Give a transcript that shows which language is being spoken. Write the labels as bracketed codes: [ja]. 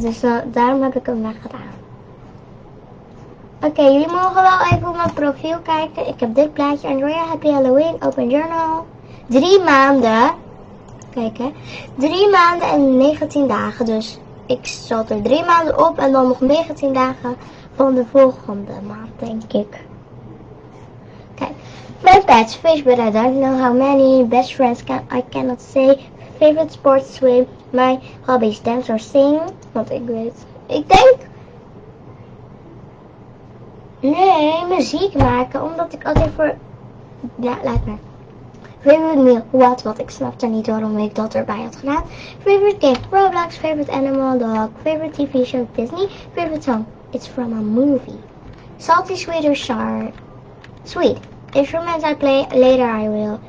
[nl] Dus daarom heb ik hem weggedaan. Oké, jullie mogen wel even op mijn profiel kijken. Ik heb dit plaatje. Andrea, [en] happy Halloween, open journal. [nl] 3 maanden. Kijk hè. 3 maanden en 19 dagen. Dus ik zat er 3 maanden op en dan nog 19 dagen van de volgende maand, denk ik. Kijk. [en] My pets, fish, but I don't know how many. Best friends, I cannot say. Favorite sports, swim. My hobbies, dance or sing. [nl] Want ik weet. Ik denk. Nee, muziek maken, omdat ik altijd voor... Ja, laat maar. [en] Favorite meal, [nl] wat, ik snapte niet waarom ik dat erbij had gedaan. [en] Favorite game, Roblox, favorite animal, dog, favorite TV show, Disney, favorite song, it's from a movie. Salty, sweet or sour? Sweet. Instruments I play, later I will.